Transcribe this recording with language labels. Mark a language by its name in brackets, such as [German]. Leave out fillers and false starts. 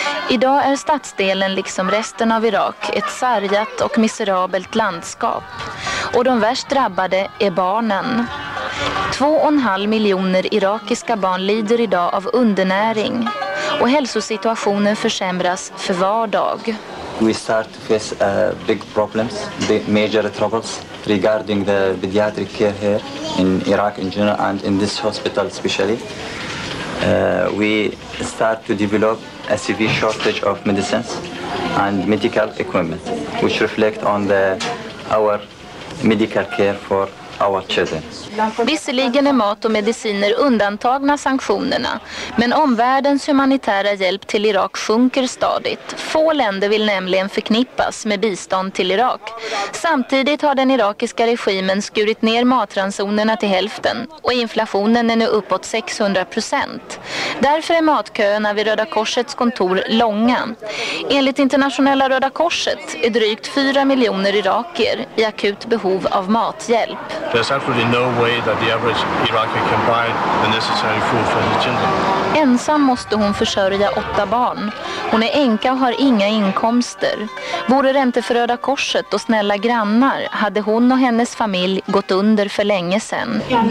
[Swedish] Idag är stadsdelen liksom resten av Irak ett sargat och miserabelt landskap. Och de värst drabbade är barnen. 2,5 miljoner irakiska barn lider idag av undernäring. Och hälsosituationen försämras för var dag. [English] We start to face big problems, major troubles regarding the pediatric care here in Iraq in general and in this hospital especially. We start to develop a severe shortage of medicines and medical equipment, which reflect on our medical care for our children. [Swedish] Visserligen är mat och mediciner undantagna sanktionerna, men omvärldens humanitära hjälp till Irak sjunker stadigt. Få länder vill nämligen förknippas med bistånd till Irak. Samtidigt har den irakiska regimen skurit ner matransonerna till hälften och inflationen är nu uppåt 600%. Därför är matköerna vid Röda Korsets kontor långa. Enligt Internationella Röda Korset är drygt 4 miljoner iraker i akut behov av mathjälp. [English] Way that the average Iraqi can buy the necessary food for his children. [Swedish] Ensam måste hon försörja 8 barn. Hon är enka och har inga inkomster. Vore det inte för Röda Korset och snälla grannar hade hon och hennes familj gått under för länge sedan.